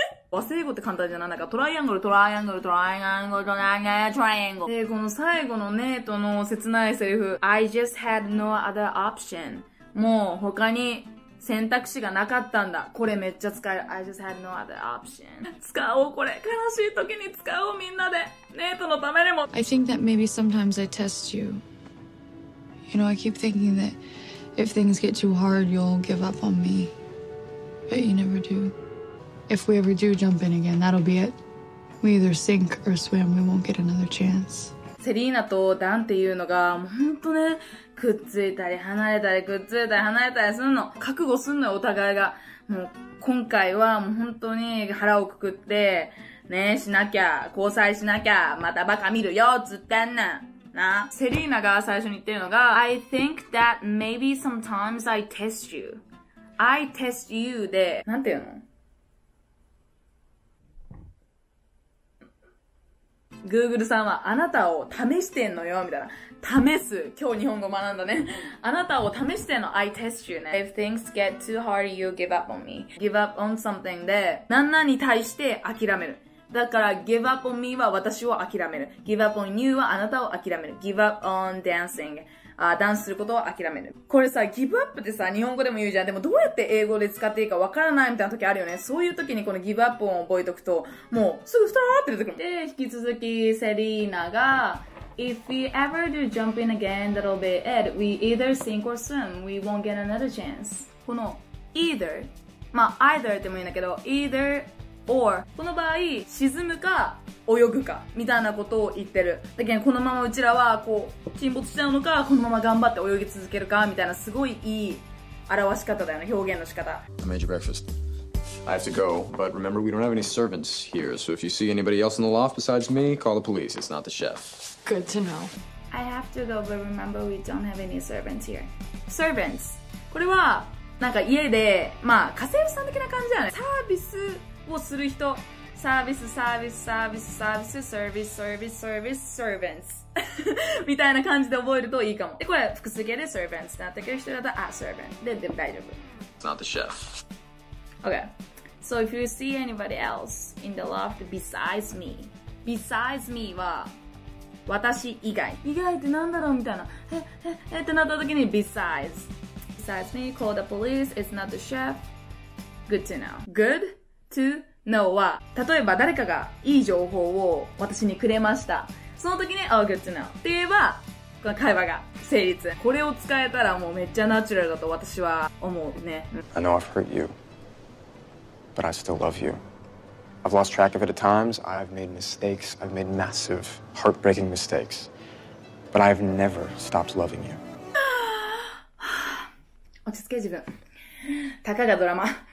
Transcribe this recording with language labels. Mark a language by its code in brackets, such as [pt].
[ja] 和製英語って簡単じゃない？なんか、トライアングル、トライアングル、トライアングル、トライアングル、トライアングル。で、この最後のネイトの切ないセリフ。 [en] I just had no other option. [ja] もう、他に選択肢がなかったんだ。これめっちゃ使える。 [en] I just had no other option. [ja] 使おう、これ。悲しい時に使おう、みんなで。ネイトのためにも。 [en] I think that maybe sometimes I test you. You know, I keep thinking that if things get too hard, you'll give up on me. But you never do. If we ever do jump in again, that'll be it. We either sink or swim. We won't get another chance. [ja] セリーナとダンっていうのが、もうほんとね、くっついたり離れたりくっついたり離れたりするの。覚悟すんのよ、お互いが。もう、今回はもうほんとに腹をくくって、ね、しなきゃ、交際しなきゃ、またバカ見るよ、つってんねん。な。セリーナが最初に言ってるのが、 [en] I think that maybe sometimes I test you.I test you [ja] で、なんて言うの? Google さんはあなたを試してんのよみたいな。試す。今日日本語学んだね。あなたを試してんの。 [en] I test you ね。If things get too hard, you give up on me. Give up on something [ja] で、何々に対して諦める。だから、 [en] give up on me [ja] は私を諦める。 [en] give up on you [ja] はあなたを諦める。 [en] give up on dancing。 [ja] ダンスすることを諦める。これさ、give up ってさ、日本語でも言うじゃん。でもどうやって英語で使っていいかわからないみたいな時あるよね。そういう時にこの give up を覚えとくと、もうすぐストラーって出てくる。で、引き続き、セリーナが、 [en] If we ever do jump in again, that'll be it. We either sink or swim. We won't get another chance. [ja] この、either、まあ、either でもいいんだけど、either or、この場合、沈むか、泳ぐかみたいなことを言ってる。だけどこのままうちらはこう沈没しちゃうのか、このまま頑張って泳ぎ続けるかみたいな、すごいいい表し方だよね、表現の仕方。 [en] I made your breakfast. I have to go, but remember we don't have any servants here. So if you see anybody else in the loft besides me, call the police. It's not the chef. Good to know. I have to go, but remember we don't have any servants here. Servants. [ja] これはなんか家で、まあ家政婦さん的な感じだね。サービスをする人。サービス、サービス、サービス、サービス、サービス、サービス、サービス、サービス、みたいな感じで覚えるといいかも。で、これ、複数形で、サービスになってくる人だと、あ、サービス。で、でも大丈夫。 [en] It's not the chef. Okay. So, if you see anybody else in the loft besides me, besides me [ja] は、私以外。以外ってなんだろうみたいな。え、ってなった時に、besides。 [en] besides me, call the police, it's not the chef. Good to know. Good to know. [ja] No は、例えば誰かがいい情報を私にくれました。その時に、 [en] Oh, good to know. [ja] って言えば、この会話が成立。これを使えたらもうめっちゃナチュラルだと私は思うね。 [en] I know I've hurt you, but I still love you. I've lost track of it at times. I've made mistakes. I've made massive, heartbreaking mistakes. But I've never stopped loving you. [ja] 落ち着け自分。たかがドラマ。